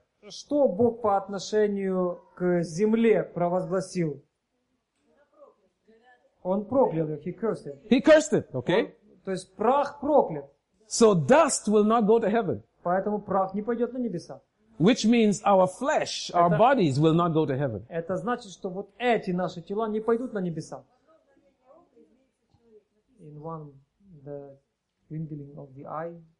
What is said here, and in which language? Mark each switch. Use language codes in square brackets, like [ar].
[ru] Что Бог по отношению к земле провозгласил? Он проклял ее. [en] He cursed it. He cursed it. Okay. [ru] То есть прах проклят. [en] So dust will not go to heaven. [ru] Поэтому прах не пойдет на небеса. [en] Which means our flesh, our bodies will not go to heaven. [ru] Это значит, что вот эти наши тела не пойдут на небеса. [en] In one, the twinkling of the eye.